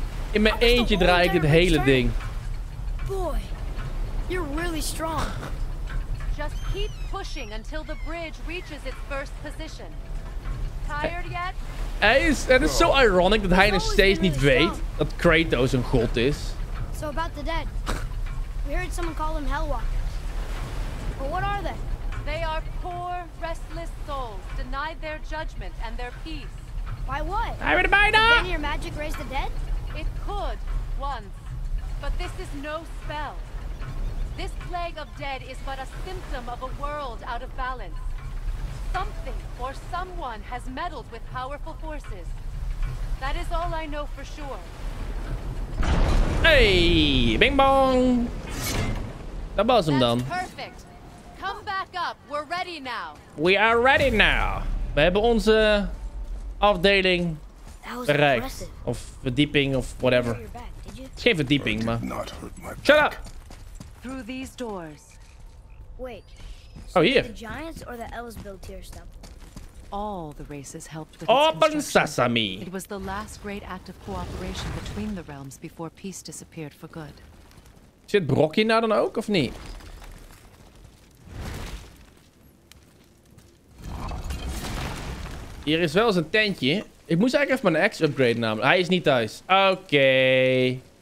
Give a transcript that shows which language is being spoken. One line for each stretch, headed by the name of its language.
Dutch: In mijn eentje draai ik het hele ding.
English: Boy, you're really strong. Just keep pushing until the bridge reaches its first position. Tired yet?
Dutch: Het is zo ironisch dat hij nog steeds niet weet dat Kratos een god is.
English: So about the dead. We heard someone call them hellwalkers. But what are they? They are poor, restless souls, denied their judgment and their peace. Why what? I read about it. Can your magic raise the dead? It could, once. But this is no spell. This plague of dead is but a symptom of a world out of balance. Something or someone has meddled with powerful forces. That is all I know for sure. Hey, bing bong. That was him then. Perfect. Come back up. We're ready now. We are ready now.
Dutch: We hebben onze afdeling bereikt. Of verdieping of whatever. It's geen verdieping, maar.
English: Shut up. Through these doors. Wait. Oh, here. The giants or the elves built here stuff. All the races helped with open sesame. It was the last great act of cooperation between the realms before peace disappeared for good.
Dutch: Zit Brokkie nou dan ook of niet? Hier is wel eens een tentje. Ik moest eigenlijk even mijn axe upgraden namelijk. Hij is niet thuis. Oké.